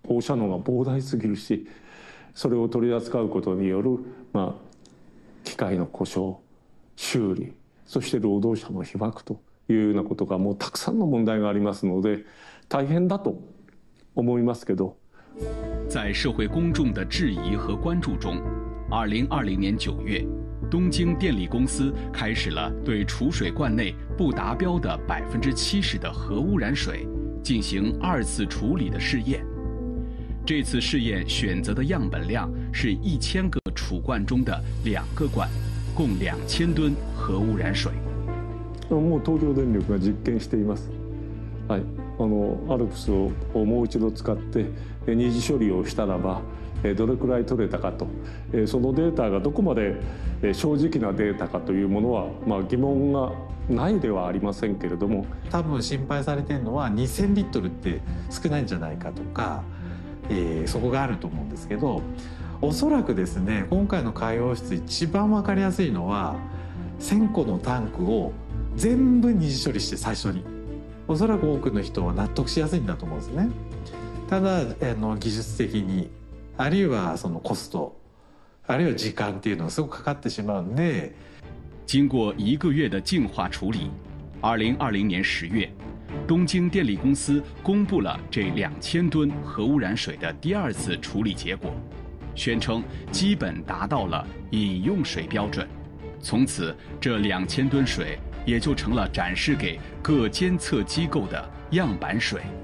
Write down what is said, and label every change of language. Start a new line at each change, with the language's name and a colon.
Japanese: 放射能が膨大すぎるし、それを取り扱うことによる、まあ、機械の故障、修理、そして労働者の被曝というようなことが、もうたくさんの問題がありますので、大変だと思いますけど。
Chinese: 在社会公众的质疑和关注中，2020年9月，东京电力公司开始了对储水罐内不达标的70%的核污染水进行二次处理的试验。这次试验选择的样本量是1000个储罐中的2个罐，共2000吨核污染水。
Japanese: もう東京電力が実験しています。はい。あのアルプスをもう一度使って二次処理をしたらばどれくらい取れたかと、そのデータがどこまで正直なデータかというものは、まあ、疑問がないではありませんけれども、多分心配されているのは2000リットルって少ないんじゃないかとか、そこがあると思うんですけど、おそらくですね、今回の海洋室一番分かりやすいのは1000個のタンクを全部二次処理して最初に、おそらく多くの人は納得しやすいんだと思うんですね。ただ技術的に、あるいはそのコスト、あるいは時間っていうのがすごくかかってしまうんで。
Chinese: 经过一个月的净化处理，2020年10月，东京电力公司公布了这2000吨核污染水的第二次处理结果，宣称基本达到了饮用水标准。从此，这2000吨水也就成了展示给各监测机构的样板水。